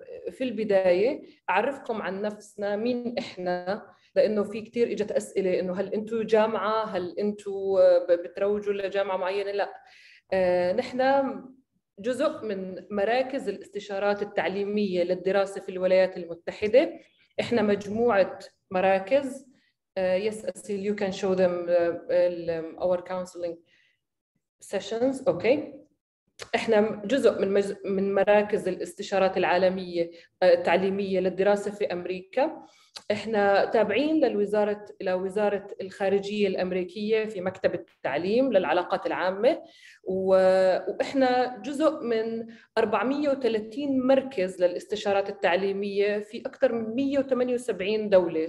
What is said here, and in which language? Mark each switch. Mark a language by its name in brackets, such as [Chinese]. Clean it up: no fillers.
[Arabic] في البداية أعرفكم عن نفسنا، مين إحنا، لأنه في كتير إجت أسئلة إنه هل أنتوا جامعة، هل أنتوا بتروجوا لجامعة معينة. لا، نحن جزء من مراكز الاستشارات التعليمية للدراسة في الولايات المتحدة. إحنا مجموعة مراكز. [English] Yes, Asil, you can show them our counseling sessions. Okay. [Arabic] إحنا جزء من مراكز الاستشارات العالمية التعليمية للدراسة في أمريكا. إحنا تابعين لوزارة الخارجية الأمريكية في مكتب التعليم للعلاقات العامة، وإحنا جزء من 430 مركز للاستشارات التعليمية في أكثر من 178 دولة.